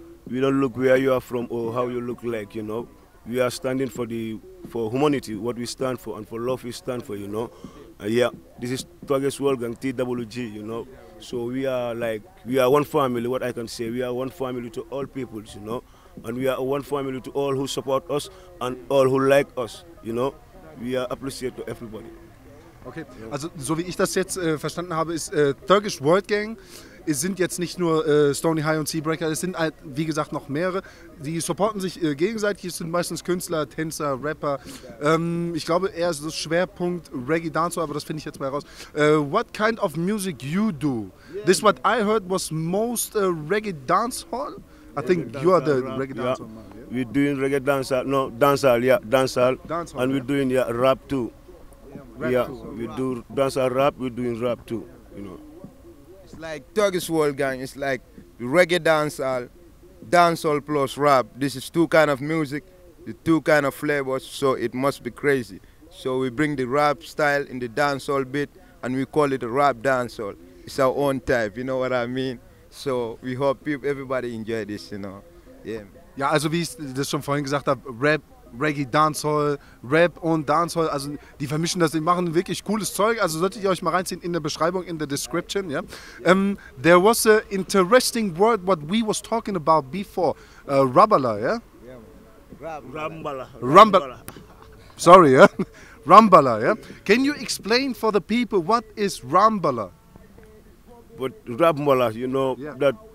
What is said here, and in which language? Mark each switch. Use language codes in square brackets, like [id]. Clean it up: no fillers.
[en] We don't look where you are from or how you look like, you know. We are standing for humanity, what we stand for, and for love we stand for, you know. Yeah, this is Thuggish World Gang, TWG, you know. So we are like, we are one family, what I can say. We are one family to all peoples, you know. And we are one family to all who support us and all who like us, you know. We are appreciated to everybody. Okay, yeah. [de] Also so wie ich das jetzt verstanden habe, ist Thuggish World Gang, es sind jetzt nicht nur Stony High und Seabreaker, es sind wie gesagt noch mehrere. Die supporten sich gegenseitig, es sind meistens Künstler, Tänzer, Rapper. Ich glaube eher so Schwerpunkt Reggae, Dancehall, aber das finde ich jetzt mal raus. [en] What kind of music you do? Yeah. This what I heard was most Reggae Dancehall? I think Reggae you are the rap. Reggae Dancehall yeah. Man. Yeah. We're doing Reggae Dancehall, no, Dancehall, yeah, Dancehall. Dancehall and yeah. We're doing yeah, rap too. Rap yeah, too. We rap. Do Dancehall rap, we're doing rap too, you know. Like Thuggish World Gang, it's like reggae dancehall, dancehall plus rap. This is two kind of music, the two kind of flavors, so it must be crazy. So we bring the rap style in the dancehall bit and we call it a rap dancehall. It's our own type, you know what I mean? So we hope people, everybody enjoy this, you know. Yeah. [de] Ja, also wie ich das schon vorhin gesagt habe, Rap, Reggae, Dancehall, Rap und Dancehall, also die vermischen das, die machen wirklich cooles Zeug, also solltet ihr euch mal reinziehen in der Beschreibung, in der Description, ja. [en] Yeah? There was an interesting word, what we was talking about before, Rambala, ja? Yeah? Rambala. Rambala. Sorry, ja? Yeah? Rambala, ja? Yeah? Can you explain for the people, what is Rambala? But Rambala, you know, yeah. That...